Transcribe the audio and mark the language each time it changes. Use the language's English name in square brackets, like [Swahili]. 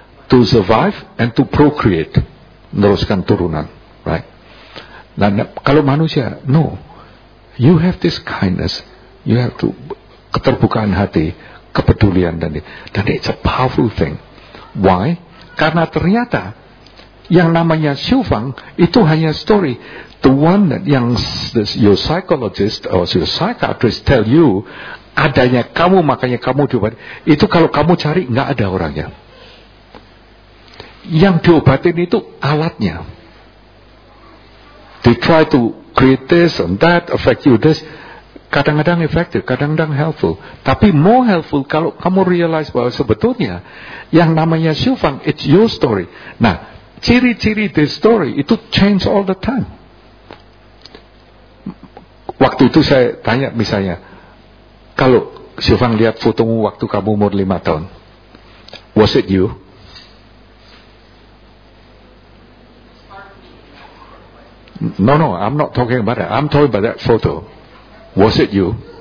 [English] To survive and to procreate. [Indonesian] Meneruskan turunan. [English] Right? [Indonesian] Nah, kalau manusia, [English] no. You have this kindness. You have to [Indonesian] keterbukaan hati, kepedulian. Dan [English] it's a powerful thing. Why? [Indonesian] Karena ternyata yang namanya Shufang itu hanya story. [English] The one that [Indonesian] yang [English] your psychologist or your psychiatrist tell you [Indonesian] adanya kamu, makanya kamu diobati. Itu kalau kamu cari, enggak ada orangnya. Yang diobatin itu alatnya. [English] They try to create this and that, affect you this. [Indonesian] Kadang-kadang efektif, kadang-kadang [English] helpful. [Indonesian] Tapi [English] more helpful [Indonesian] kalau kamu [English] realize [Indonesian] bahwa sebetulnya yang namanya Shufang, [English] it's your story. [Indonesian] Nah, ciri-ciri [English] the story [Indonesian] itu [English] change all the time. [Indonesian] Waktu itu saya tanya misalnya, kalau Shufang lihat fotomu waktu kamu umur 5 tahun, [English] was it you? No, I'm not talking about that. I'm talking about that photo. Was it you?